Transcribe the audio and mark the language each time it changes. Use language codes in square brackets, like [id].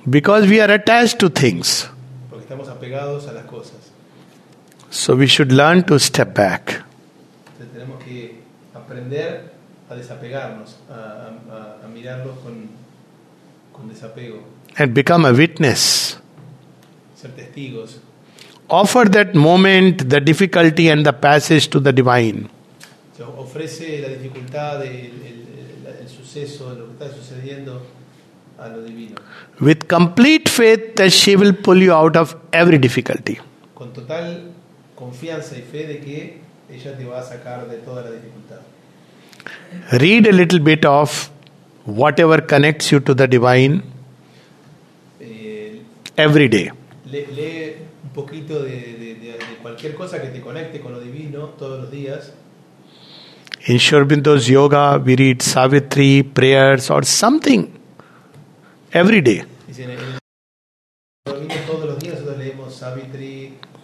[en] Because we are attached to things. [es] Porque estamos apegados a las cosas. [en] So we should learn to step back. [es] Entonces tenemos que aprender a desapegarnos, a mirarlos con desapego. [en] And become a witness. [es] Ser testigos. [en] Offer that moment, the difficulty and the passage to the divine. [es] Se ofrece la dificultad, el suceso, lo que está sucediendo a lo divino. [en] With complete faith that she will pull you out of every difficulty. [es] Con total confianza y fe de que ella te va a sacar de toda la dificultad. [en] Read a little bit of whatever connects you to the divine. Every day. [es] Lee un poquito de cualquier cosa que te conecte con lo divino todos los días. [en] In Sri Aurobindo's yoga, we read Savitri, prayers or something. Every day. [es] Dice, en el domingo todos los días nosotros leemos Savitri,